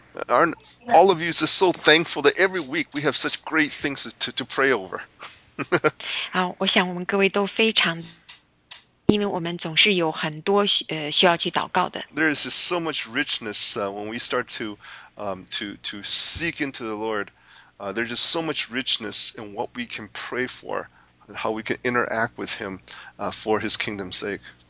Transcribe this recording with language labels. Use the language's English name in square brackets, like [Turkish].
[English] Aren't all of you just so thankful that every week we have such great things to pray over? [Chinese] 我想我们各位都非常，因为我们总是有很多需要去祷告的。 [English] There is just so much richness when we start to seek into the Lord. There's just so much richness in what we can pray for and how we can interact with Him for His kingdom's sake.